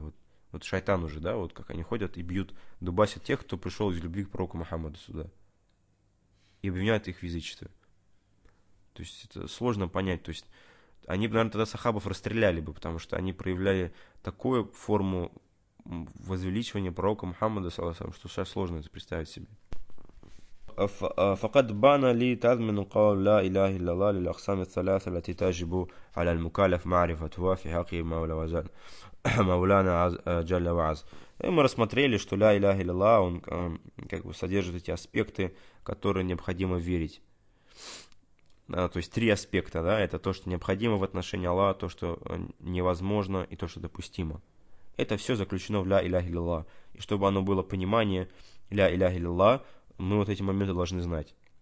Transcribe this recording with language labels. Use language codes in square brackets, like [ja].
[ru] Вот, вот шайтан уже, да, вот как они ходят и бьют, дубасят тех, кто пришел из любви к пророку Мухаммаду сюда. И обвиняют их в язычестве. То есть это сложно понять, то есть они бы, наверное, тогда сахабов расстреляли бы, потому что они проявляли такую форму возвеличивания пророка Мухаммада, что сейчас сложно это представить себе. [ar] فقد بان لي تضمن قول لا إله إلا الله للأقسام الثلاثة التي تجب على المكلف معرفتها في حق مولى وزن مولانا جل وعز. [ru] Мы рассмотрели, что ла илаха илля он как бы содержит эти аспекты, которые необходимо верить. То есть три аспекта, да, это то, что необходимо в отношении Аллаха, то, что невозможно и то, что допустимо. Это все заключено в ля илляхи лилла. И чтобы оно было понимание ля илляхи лилла, мы вот эти моменты должны знать.